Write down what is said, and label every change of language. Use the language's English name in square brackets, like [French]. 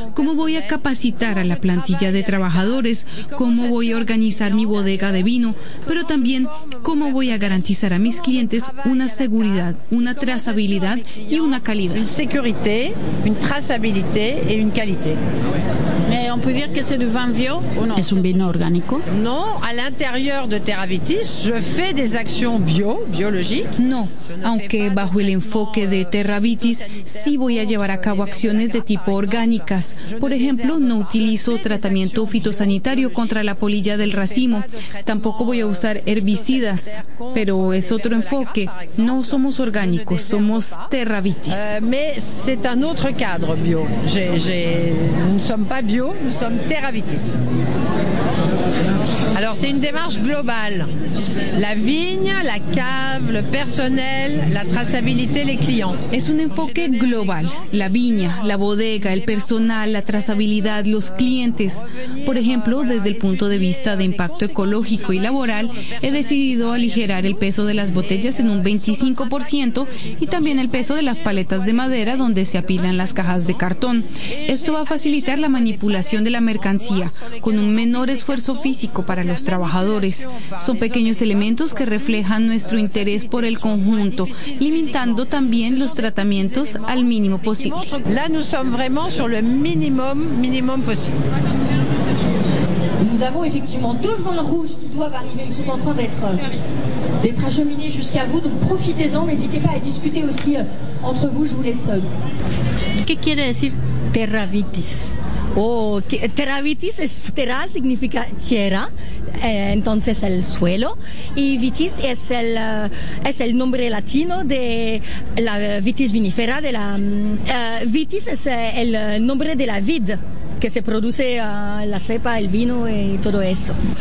[Spanish] ¿Cómo voy a capacitar a la plantilla de trabajadores? ¿Cómo voy a organizar mi bodega de vino? Pero también, ¿cómo voy a garantizar a mis clientes una seguridad, una trazabilidad y una calidad? Una seguridad, una trazabilidad y una calidad. [French] On peut dire que c'est du vin bio ou non? [Spanish] Es un vino orgánico. [French] No, à l'intérieur de Terra Vitis, je fais des actions bio, biologiques. [Spanish] No, aunque bajo el enfoque de Terra Vitis, sí voy a llevar a cabo acciones de tipo orgánicas. Por ejemplo, no utilizo tratamiento fitosanitario contra la polilla del racimo. Tampoco voy a usar herbicidas, pero es otro enfoque. No somos orgánicos, somos Terra Vitis. [French] Mais c'est un autre cadre bio. Nous ne sommes pas bio. Nous sommes Terra Vitis. Alors, c'est une démarche globale. La vigne, la cave, le personnel, la traçabilité, les clients. [Spanish] Es un enfoque global. La viña, la bodega, el personal, la trazabilidad, los clientes. Por ejemplo, desde el punto de vista de impacto ecológico y laboral, he decidido aligerar el peso de las botellas en un 25% y también el peso de las paletas de madera donde se apilan las cajas de cartón. Esto va a facilitar la manipulación de la mercancía con un menor esfuerzo físico para los trabajadores. Son pequeños elementos que reflejan nuestro interés por el conjunto, limitando también los tratamientos al mínimo posible. [French] Là nous sommes vraiment sur le minimum possible. Nous avons effectivement deux vins rouges qui doivent arriver, ils sont en train d'être acheminés jusqu'à vous, donc profitez-en, n'hésitez pas à discuter aussi entre vous, je vous laisse. [Spanish] ¿Qué quiere decir terra vitis? Oh, terra vitis es terra, significa tierra, entonces el suelo, y vitis es el nombre latino de la vitis vinifera, de la vitis es el nombre de la vid que se produce la cepa, el vino y todo eso.